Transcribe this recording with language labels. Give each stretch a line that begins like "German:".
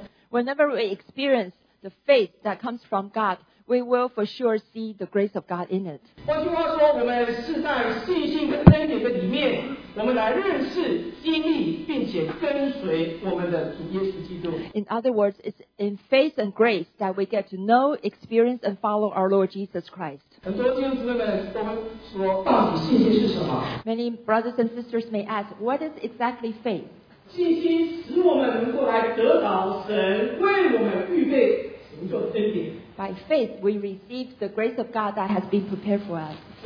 English: Whenever we experience the faith that comes from God, we will for sure see the grace of God in it.
Chinese: 换句话说，我们是在信心跟恩典的里面，我们来认识、经历，并且跟随我们的主耶稣基督。
English: In other words, it's in faith and grace that we get to know, experience, and follow our Lord Jesus Christ.
Chinese: 很多弟兄姊妹们，我们说到底信心是什么
English: ？Many brothers and sisters may ask, what is exactly faith?
Chinese: 信心使我们能够来得到神为我们预备成就的恩典。
English: By faith, we receive the grace of God that has been prepared for us.